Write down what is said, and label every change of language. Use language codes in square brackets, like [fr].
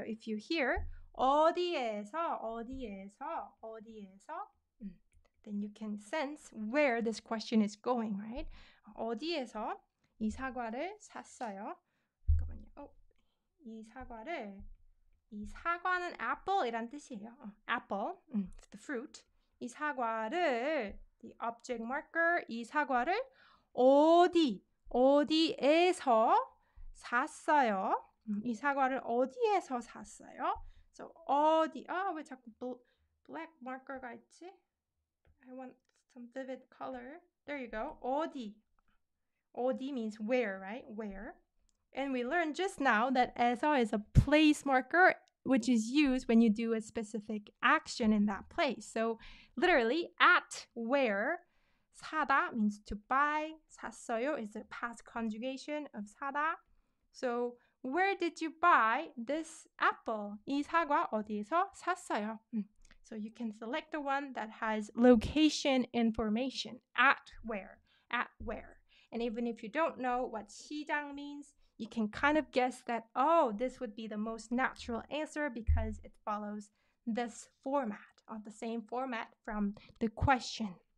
[en] If you hear [ko] 어디에서, 어디에서, 어디에서, [en] then you can sense where this question is going, right? [ko] 어디에서 이 사과를 샀어요? 잠깐만요. 이 사과를, 이 사과는 apple이란 뜻이에요. [en] Apple, the fruit. [ko] 이 사과를, [en] the object marker, [ko] 이 사과를 어디, 어디에서 샀어요? 이 사과를 어디에서 샀어요? [en] So, [ko] 어디, 아, 왜 자꾸 [en] black marker [ko] 가 있지? [en] I want some vivid color. There you go, 어디. 어디 means where, right? Where. And we learned just now that 에서 is a place marker, which is used when you do a specific action in that place. So, literally, at where. 사다 means to buy. 샀어요 is the past conjugation of 사다. So, where did you buy this apple? [ko] 이 사과 어디에서 샀어요? [en] So, you can select the one that has location information. At where? At where? And even if you don't know what 시장 means, you can kind of guess that, oh, this would be the most natural answer because it follows this format, of the same format from the question.